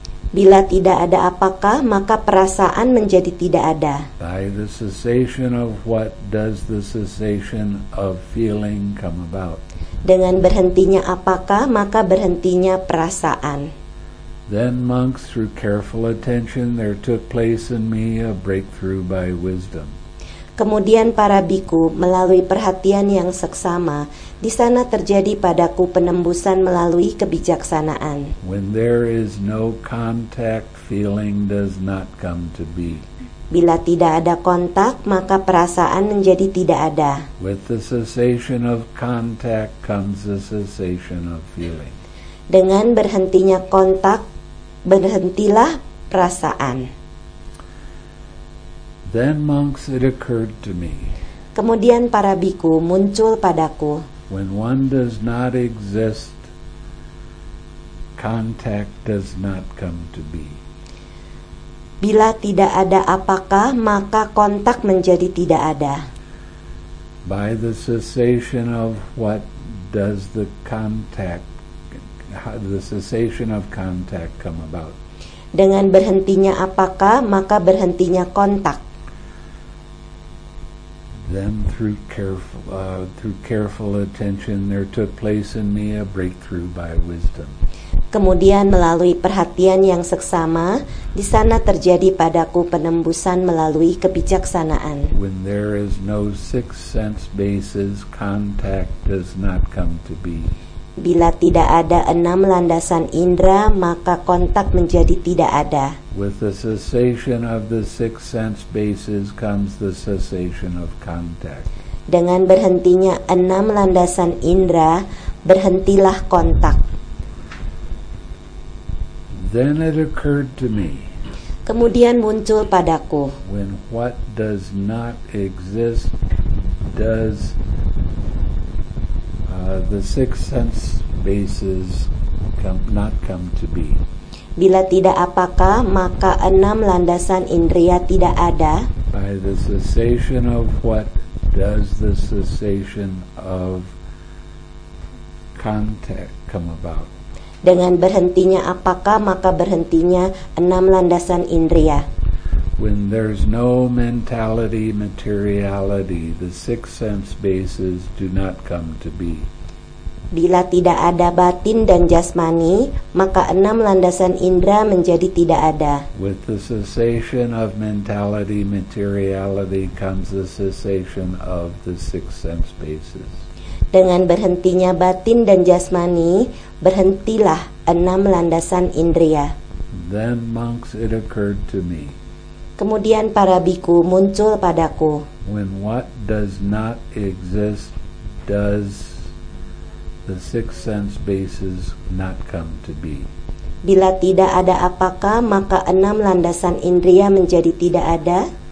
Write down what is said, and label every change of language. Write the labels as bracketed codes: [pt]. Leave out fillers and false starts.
[id] Bila tidak ada apakah, maka perasaan menjadi tidak ada. [en] By the cessation of what does the cessation of feeling come about? [id] Dengan berhentinya apakah, maka berhentinya perasaan. [en] Then monks, through careful attention, there took place in me a breakthrough by wisdom. [id] Kemudian para bhikkhu, melalui perhatian yang seksama, di sana terjadi padaku penembusan melalui kebijaksanaan. [en] When there is no contact, feeling does not come to be. [id] Bila tidak ada kontak, maka perasaan menjadi tidak ada. [en] With the cessation of contact comes the cessation of feeling. [id] Dengan berhentinya kontak, berhentilah perasaan. [en] Then monks, it occurred to me. [id] Kemudian para bhikkhu, muncul padaku. [en] When one does not exist, contact does not come to be. [id] Bila tidak ada apakah, maka kontak menjadi tidak ada. [en] By the cessation of what does the contact, the cessation of contact come about? [id] Dengan berhentinya apakah, maka berhentinya kontak. [en] Then through careful attention, there took place in me a breakthrough by wisdom. [id] Kemudian melalui perhatian yang seksama, di sana terjadi padaku penembusan melalui kebijaksanaan. [en] When there is no sixth sense basis, contact does not come to be. [id] Bila tidak ada enam landasan indera, maka kontak menjadi tidak ada. [en] With the cessation of the six sense bases comes the cessation of contact. [id] Dengan berhentinya enam landasan indera, berhentilah kontak. [en] Then it occurred to me. [id] Kemudian muncul padaku. [en] When what does not exist does the six sense bases not come to be. [id] Bila tidak apakah, maka enam landasan indria tidak ada. [en] By the cessation of what does the cessation of contact come about? [id] Dengan berhentinya apakah, maka berhentinya enam landasan indria. [en] When there's no mentality, materiality, the six sense bases do not come to be. [id] Bila tidak ada batin dan jasmani, maka enam landasan indera menjadi tidak ada. [en] With the cessation of mentality, materiality comes the cessation of the six sense bases. [id] Dengan berhentinya batin dan jasmani, berhentilah enam landasan indera. [en] Then monks, it occurred to me. [id] Kemudian para biku muncul padaku. [en] When what does not exist does the sixth sense basis not come to be. [id] Bila tidak ada apakah, maka enam landasan indria menjadi tidak ada.